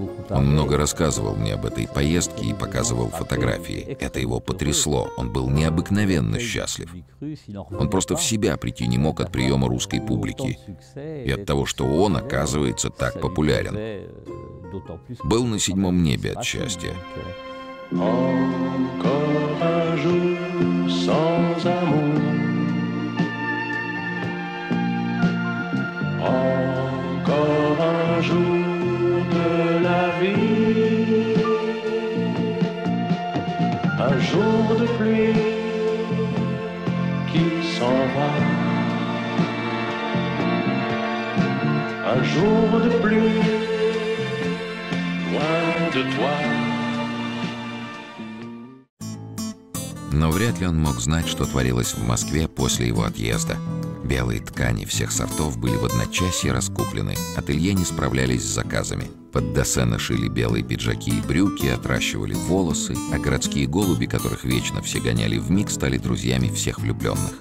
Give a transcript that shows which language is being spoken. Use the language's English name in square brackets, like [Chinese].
[Russian] Он много рассказывал мне об этой поездке и показывал фотографии. Это его потрясло. Он был необыкновенно счастлив. Он просто в себя прийти не мог от приема русской публики и от того, что он, оказывается, так популярен. Был на 7-м небе от счастья. [French] Encore un jour sans amour, encore un jour de la vie, un jour de pluie qui s'en va, un jour de pluie loin de toi. [Russian] Но вряд ли он мог знать, что творилось в Москве после его отъезда. Белые ткани всех сортов были в одночасье раскуплены. Ателье не справлялись с заказами. Под Дассена шили белые пиджаки и брюки, отращивали волосы, а городские голуби, которых вечно все гоняли вмиг, стали друзьями всех влюбленных.